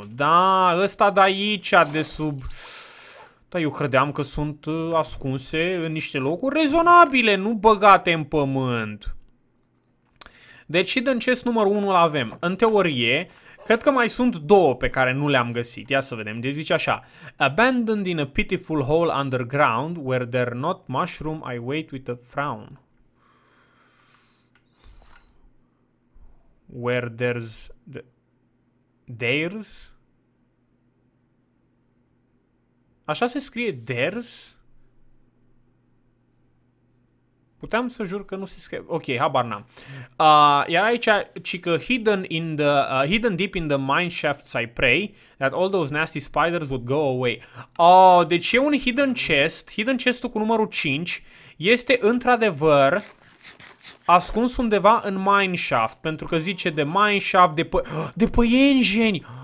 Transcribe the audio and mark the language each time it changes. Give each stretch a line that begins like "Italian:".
Romanian: Da, ăsta de aici, de sub... Da, eu credeam că sunt ascunse în niște locuri rezonabile, nu băgate în pământ. Deci
English: hidden chest
Romanian: numărul 1 l-avem. În teorie, cred că mai sunt două pe care nu le-am găsit. Ia să vedem. Deci zice așa.
English: Abandoned in a pitiful hole underground where there not mushroom, I wait with a frown. Where there's... There's...
Romanian: Așa se scrie there's? Puteam să jur că nu se scrie... Ok, habar n-am. Iar aici, cică,
English: hidden deep in the mineshafts I pray that all those nasty spiders would go away.
Romanian: Oh, deci e un
English: hidden chest.
Romanian: Hidden chestul cu numărul 5 este într-adevăr ascuns undeva în mineshaft. Pentru că zice de mineshaft, de păienjeni!